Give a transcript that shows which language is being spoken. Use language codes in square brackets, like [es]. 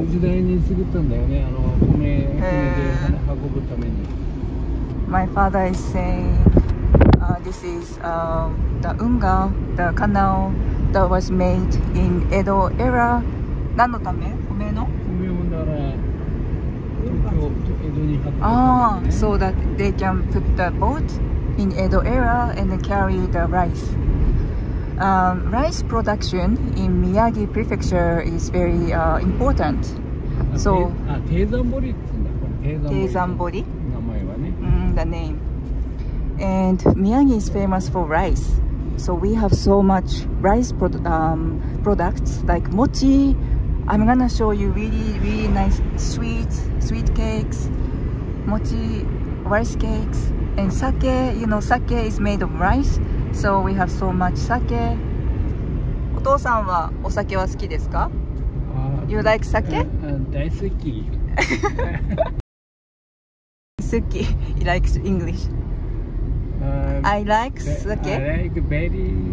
[ja] 時代に過ぎたんだよね、あの米で運ぶために。 [en] My father is saying, this is the 運河, the canal that was made in Edo era. [ja] 何のため?米の? 米をなら、東京と江戸に運ぶために、ね。 [en] So that they can put the boat in Edo era and carry the rice. Rice production in Miyagi prefecture is very important. So, Teizanbori. Teizanbori. Name. The name. And Miyagi is famous for rice. So we have so much rice products like mochi. I'm gonna show you really, really nice sweet cakes, mochi rice cakes, and sake. You know, sake is made of rice. So we have so much sake. [ja] お父さんはお酒は好きですか? [en] You like sake? [ja] 大好き。 [en] 好き。He likes English. I like sake. I like very